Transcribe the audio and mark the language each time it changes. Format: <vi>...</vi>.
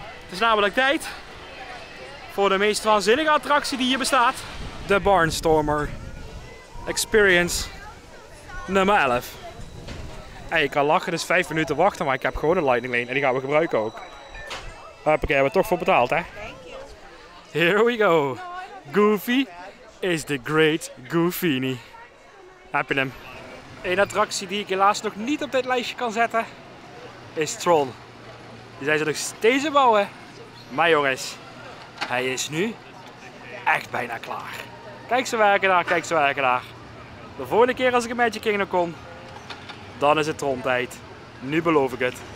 <nl>Het is namelijk tijd voor de meest waanzinnige attractie die hier bestaat. De Barnstormer Experience nummer 11. En je kan lachen, dus 5 minuten wachten, maar ik heb gewoon een Lightning Lane en die gaan we gebruiken ook. Hoppakee, hebben we toch voor betaald, hè?</nl> <en>Here we go. Goofy is the great Goofini.</en> <nl>Heb je hem? Een attractie die ik helaas nog niet op dit lijstje kan zetten, is Tron. Die zijn ze nog steeds aan bouwen. Maar jongens, hij is nu echt bijna klaar. Kijk ze werken daar. De volgende keer als ik in Magic Kingdom kom, dan is het Tron tijd. Nu beloof ik het.</nl>